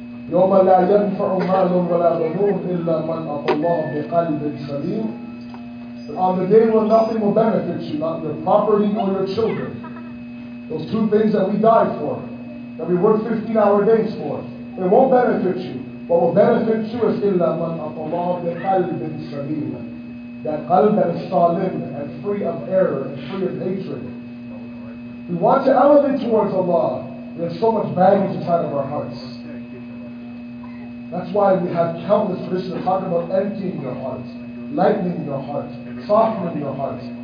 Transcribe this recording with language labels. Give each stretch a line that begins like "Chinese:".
Arabic: يَوْمَ لَا يَنْفَعُ مَالٌ وَلَا بَنُونَ إِلَّا مَنْ أَطَى اللَّهُ بِقَلْبٍ سَلِيمٍ.
English: On the day when nothing will benefit you, not your property nor your children. Those two things that we die for, that we work 15-hour days for, it won't benefit you. What will benefit you is
Arabic: إِلَّا مَنْ أَطَى اللَّهُ بِقَلْبٍ سَلِيمٍ.
English: That qalb that is salim and free of error and free of hatred. We want to elevate towards Allah. We have so much baggage inside of our hearts. That's why we have countless traditions talk about emptying your heart, lightening your heart, softening your heart.